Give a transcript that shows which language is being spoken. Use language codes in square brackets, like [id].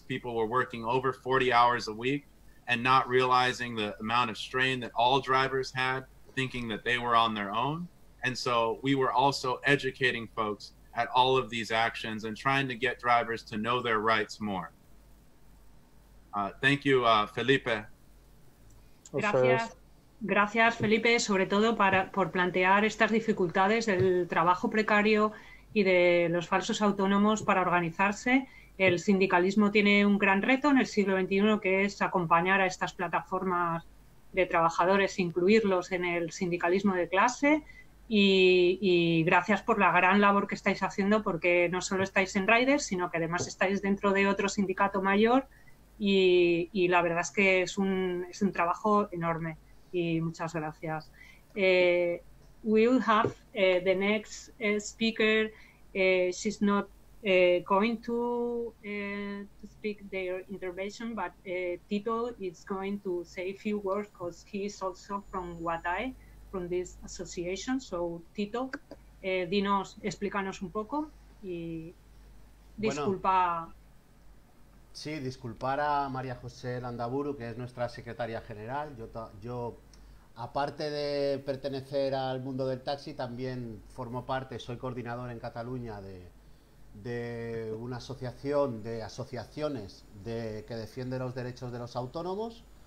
[en] People were working over 40 hours a week and not realizing the amount of strain that all drivers had, thinking that they were on their own. And so we were also educating folks at all of these actions and trying to get drivers to know their rights more. Thank you, Felipe. [es] Gracias. Gracias, Felipe, sobre todo por plantear estas dificultades del trabajo precario y de los falsos autónomos para organizarse. El sindicalismo tiene un gran reto en el siglo XXI, que es acompañar a estas plataformas de trabajadores, incluirlos en el sindicalismo de clase. Y gracias por la gran labor que estáis haciendo, porque no solo estáis en Riders, sino que además estáis dentro de otro sindicato mayor, y la verdad es que es un trabajo enorme. Y muchas gracias. [en] We'll have the next speaker. She's not going to speak their intervention, but Tito is going to say a few words, because he's also from Guatay, from this association. [es] So Tito, dinos, explícanos un poco y disculpa. Bueno, sí, disculpar a María José Landaburu, que es nuestra secretaria general. Yo aparte de pertenecer al mundo del taxi, también formo parte, soy coordinador en Cataluña de una asociación de asociaciones que defiende los derechos de los autónomos.